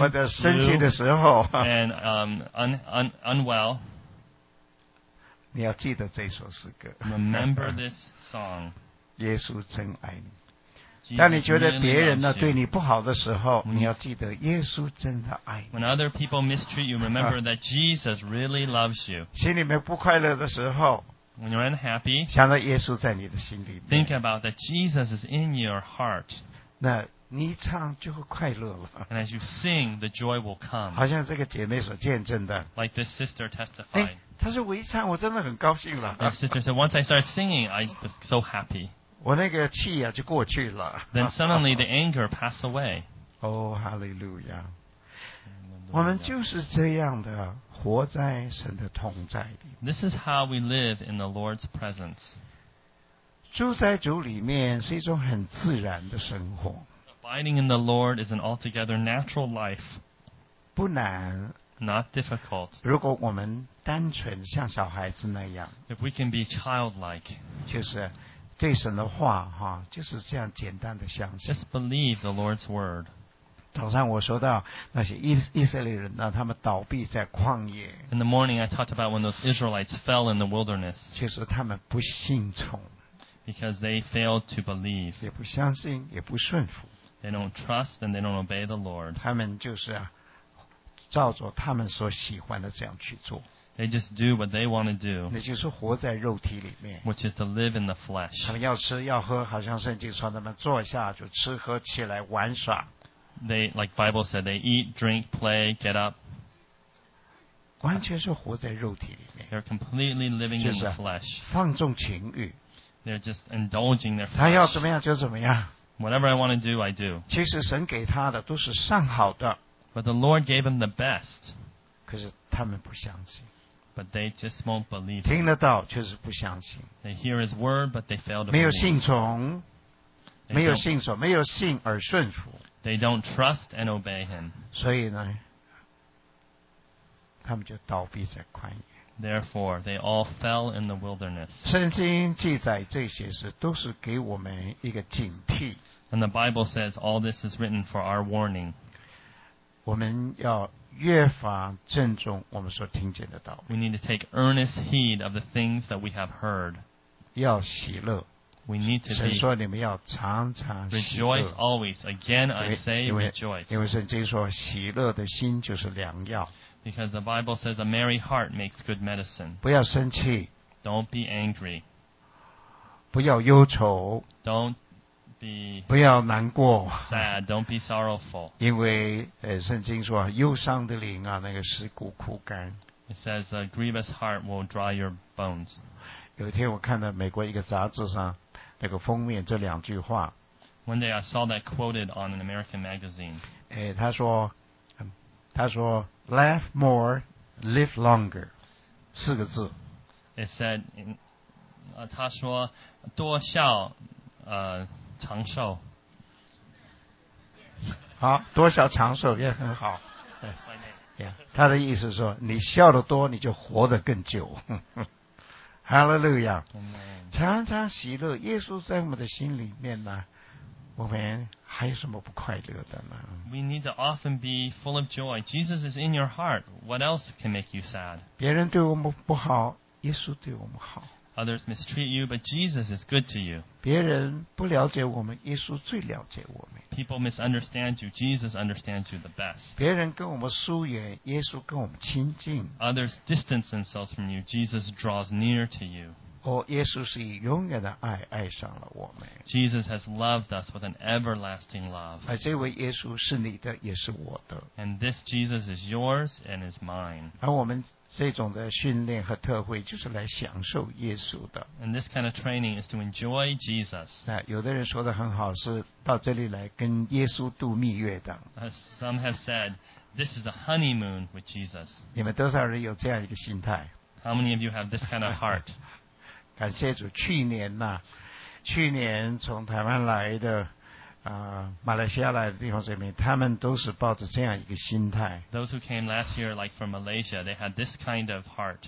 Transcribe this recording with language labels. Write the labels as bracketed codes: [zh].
[zh] 或者生气的时候 [en] and unwell [zh] 你要记得这首诗歌 [en] remember this song [zh] 耶稣真爱你当你觉得别人呢对你不好的时候，你要记得耶稣真的爱你。 [en] When other people mistreat you, remember that Jesus really loves you. [zh] 心里面不快乐的时候 [en] ，When you're unhappy, [zh] 想到耶稣在你的心里面。 [en] Think about that Jesus is in your heart. [zh] 那你唱就会快乐了。 [en] And as you sing, the joy will come. [zh] 好像这个姐妹所见证的。 [en] Like this sister testified. [zh] 她说我一唱我真的很高兴了。 [en] The sister said, once I started singing, I was so happy. [zh] 我那个气啊就过去了。 [en] Then suddenly the anger passed away. Oh, hallelujah. [zh] 我们就是这样的活在神的同在里。 [en] This is how we live in the Lord's presence. [zh] 住在主里面是一种很自然的生活。 [en] Abiding in the Lord is an altogether natural life. [zh] 不难。 [en] Not difficult. [zh] 如果我们单纯像小孩子那样。 [en] If we can be childlike. [zh] 就是对神的话哈，就是这样简单的相信。 [en] Just believe the Lord's word. [zh] 早上我说到那些以色列人呢，他们倒闭在旷野。 [en] In the morning, I talked about when those Israelites fell in the wilderness. [zh] 就是他们不信从。 [en] Because they failed to believe. [zh] 也不相信，也不顺服。 [en] They don't trust and they don't obey the Lord. [zh] 他们就是照着他们所喜欢的这样去做。 [en] They just do what they want to do. [zh] 那就是活在肉体里面。 [en] Which is to live in the flesh. [zh] 他们要吃要喝，好像圣经说他们坐下就吃喝起来玩耍。 [en] They like Bible said, they eat, drink, play, get up. [zh] 完全是活在肉体里面。 [en] They're completely living in the flesh. [zh] 放纵情欲。 [en] They're just indulging their flesh. [zh] 他要怎么样就怎么样。 [en] Whatever I want to do, I do. [zh] 其实神给他的都是上好的。 [en] But the Lord gave him the best. [zh] 可是他们不相信。 [en] But they just won't believe. [zh] 听得到，却是不相信。 [en] They hear his word, but they fail to believe. [zh] 没有信从，没有信从，没有信而顺服。 [en] They don't trust and obey him. [zh] 所以呢，他们就倒闭在旷野。 [en] Therefore, they all fell in the wilderness. [zh] 圣经记载这些事，都是给我们一个警惕。 [en] And the Bible says all this is written for our warning. [zh] 我们要。越发郑重我们所听见的道理。 [en] We need to take earnest heed of the things that we have heard. [zh] 要喜乐。 [en] We need to be. [zh] 神说你们要常常喜乐。 [en] Rejoice always. Again, I say rejoice. [zh] 因为圣经说喜乐的心就是良药。 [en] Because the Bible says a merry heart makes good medicine. [zh] 不要生气。 [en] Don't be angry. [zh] 不要忧愁。 [en] Don't. [zh] 不要难过 [en] Sad, don't be sorrowful. [zh] 因为圣经说忧伤的灵啊那个使骨枯干 [en] It says a grievous heart will dry your bones. [zh] 有一天我看到美国一个杂志上那个封面这两句话 [en] One day I saw that quoted on an American magazine. [zh] 他说他说 [en] laugh more, live longer, [zh] 四个字。 [en] It said, [zh] 他说多笑长寿。好，多笑长寿也很好。他的意思说你笑得多你就活得更久。 [en] Hallelujah. [zh] 常常喜乐，耶稣在我们的心里面呢，我们还有什么不快乐的呢？ [en] We need to often be full of joy. Jesus is in your heart. What else can make you sad? [zh] 别人对我们不好，耶稣对我们好。 [en] Others mistreat you, but Jesus is good to you. [zh] 别人不了解我们，耶稣最了解我们。 [en] People misunderstand you, Jesus understands you the best. [zh] 别人跟我们疏远，耶稣跟我们亲近。 [en] Others distance themselves from you, Jesus draws near to you. [zh] 哦，耶稣是以永远的爱爱上了我们。 [en] Jesus has loved us with an everlasting love. [zh] 而这位耶稣是你的，也是我的。 [en] And this Jesus is yours and is mine. [zh] 而我们这种的训练和特会就是来享受耶稣的。 [en] And this kind of training is to enjoy Jesus. [zh] 那有的人说得很好，是到这里来跟耶稣度蜜月的。 [en] Some have said this is a honeymoon with Jesus. [zh] 你们多少人有这样一个心态 [en] ？How many of you have this kind of heart? [zh] 感谢主，去年从台湾来的。马来西亚来的弟兄姊妹，他们都是抱着这样一个心态。 [en] Those who came last year, like from Malaysia, they had this kind of heart.